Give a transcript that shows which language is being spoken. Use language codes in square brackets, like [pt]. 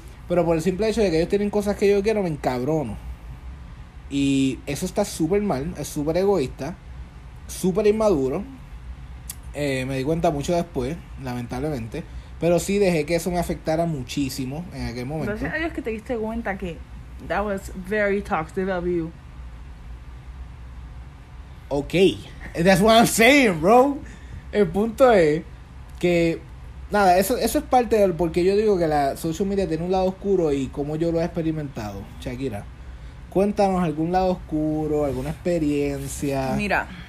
[es] Pero por el simple hecho de que ellos tienen cosas que yo quiero, me encabrono. Y eso está súper mal, es súper egoísta, súper inmaduro. Me di cuenta mucho después, lamentablemente. Pero sí dejé que eso me afectara muchísimo en aquel momento. Gracias a Dios que te diste cuenta que [en] that was very toxic of you. Okay, that's what I'm saying, bro. [es] El punto es que, nada, eso es parte del porque yo digo que la social media tiene un lado oscuro y cómo yo lo he experimentado. Shakira, cuéntanos algún lado oscuro, alguna experiencia. Mira,